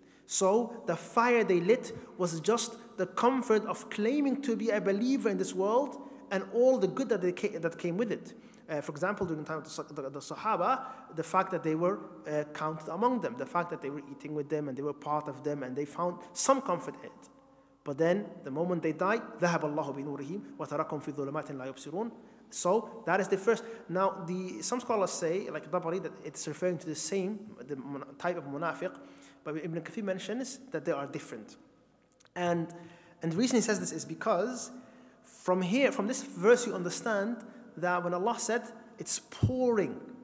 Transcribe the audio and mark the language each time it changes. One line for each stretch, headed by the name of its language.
English: So the fire they lit was just the comfort of claiming to be a believer in this world, and all the good that came with it. For example, during the time of the Sahaba, the fact that they were counted among them, the fact that they were eating with them and they were part of them and they found some comfort in it. But then, the moment they died,
Arabic: ذَهَبَ اللَّهُ بِنُورِهِمْ وَتَرَكُمْ فِي ظُلُمَاتٍ لَا يُبْصِرُونَ.
English: So, that is the first. Now, some scholars say, like Dabari, that it's referring to the type of munafiq, but Ibn Kathir mentions that they are different. And the reason he says this is because from here, from this verse, you understand that when Allah said, it's pouring,